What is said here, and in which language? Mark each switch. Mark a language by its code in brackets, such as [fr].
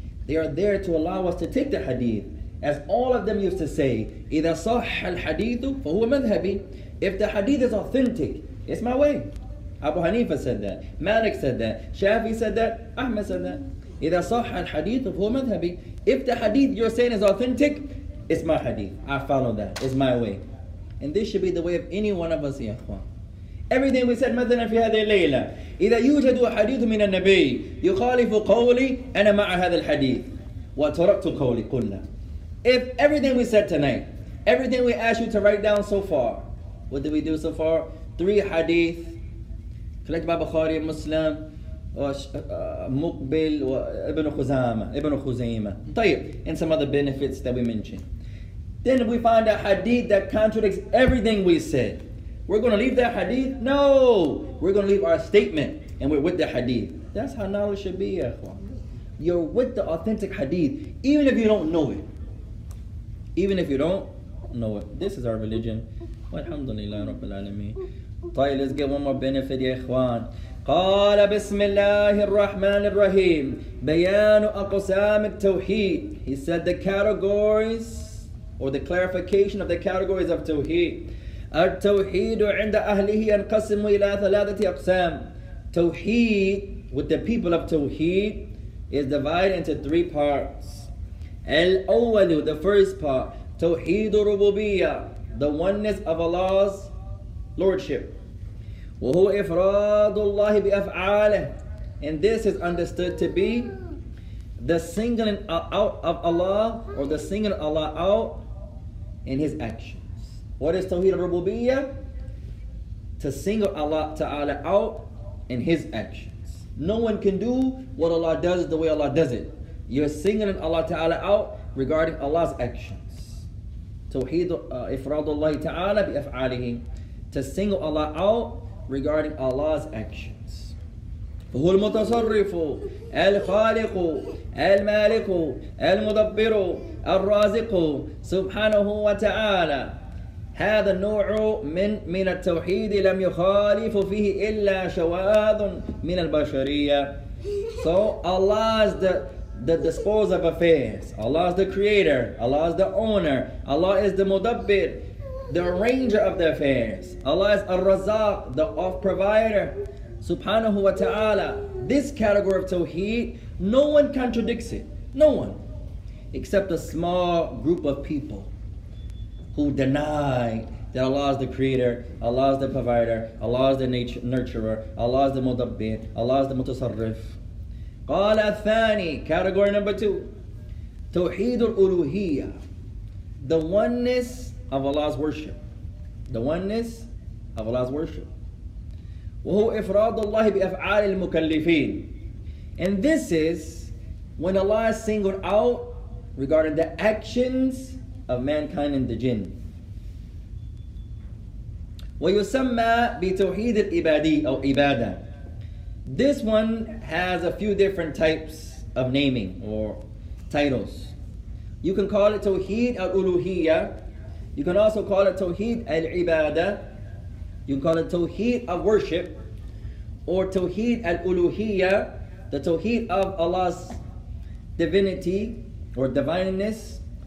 [en] They are there to allow us to take the hadith. As all of them used to say, [ar] إِذَا صَحَّ الْحَدِيثُ فَهُوَ مَذْهَبِي. [en] If the hadith is authentic, it's my way. Abu Hanifa said that. Malik said that. Shafi said that. Ahmed said that. [ar] إِذَا صَحَّ الْحَدِيثُ فَهُوَ مَذْهَبِي. [en] If the hadith you're saying is authentic, it's my hadith. I follow that. It's my way. And this should be the way of any one of us, ya ikhwan. Everything we said, [ar] مثلا في هذه الليلة, إذا يوجد حديث من النبي يخالف قولي أنا مع هذا الحديث وتركت قولي قلنا. [en] If everything we said tonight, everything we asked you to write down so far, what did we do so far? Three hadith, collected by Bukhari and Muslim, مقبل وابن خزامة ابن خزيمة طيب and some other benefits that we mentioned. Then if we find a hadith that contradicts everything we said, we're going to leave that hadith? No! We're going to leave our statement and we're with the hadith. That's how knowledge should be, ya ikhwan. You're with the authentic hadith, even if you don't know it. Even if you don't know it. This is our religion. Alhamdulillah, Rabbil Alameen. طيب, let's get one more benefit, يا إخوان. [ar] قال بسم الله الرحمن الرحيم بيان أقسام التوحيد. [en] He said the categories or the clarification of the categories of توحيد. [ar] التوحيد عند أهله ينقسم إلى ثلاثة أقسام. [en] توحيد with the people of توحيد is divided into three parts. الأول, the first part, توحيد ربوبية, the oneness of Allah's lordship. [ar] وهو إفراد الله بأفعاله, [en] and this is understood to be the singling out of Allah, or the singling Allah out in His actions. What is توحيد الربوبية? To single Allah Ta'ala out in His actions. No one can do what Allah does the way Allah does it. You're singling Allah Ta'ala out regarding Allah's actions. [ar] توحيد إفراد الله تعالى بأفعاله, [en] to single Allah out regarding Allah's actions. [ar] فهو المتصرف الخالق المالك المدبر الرازق سبحانه وتعالى. هذا النوع من التوحيد لم يخالف فيه إلا شواذ من البشرية. [en] So Allah is the disposer of affairs. Allah is the creator. Allah is the owner. Allah is the مدبر, the arranger of the affairs. Allah is Ar-Razzaq, the off-provider. Subhanahu wa ta'ala. This category of Tawheed, no one contradicts it. No one. Except a small group of people who deny that Allah is the creator, Allah is the provider, Allah is the nurturer, Allah is the mudabbir, Allah is the mutasarrif. Qala thani, category number two, Tawheed al-Uluhiyya, the oneness of Allah's worship. The oneness of Allah's worship. [ar] وهو إفراد الله بأفعال المكلفين. [en] And this is when Allah is singled out regarding the actions of mankind and the jinn. [ar] ويسمى بتوحيد الإبادي أو إبادة. [en] This one has a few different types of naming or titles. You can call it توحيد الألوهية. You can also call it Tawheed al-Ibadah. You can call it Tawheed of worship. Or Tawheed al-Uluhiyya, the Tawheed of Allah's divinity or divineness.